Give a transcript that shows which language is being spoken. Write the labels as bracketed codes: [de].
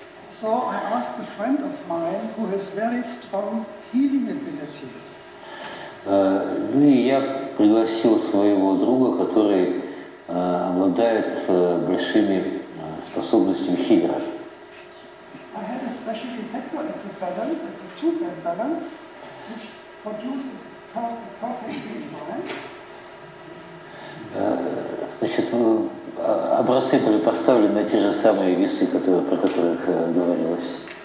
[en] So I asked a friend of mine who has very strong healing abilities. [ru] Ну и я пригласил своего друга, который обладает большими способностями хилера. [en] I had a special detector, it's a balance, it's a two-band balance, which produced a perfect baseline. [ru] Значит, образцы были поставлены на те же самые весы, которые, про которых говорилось.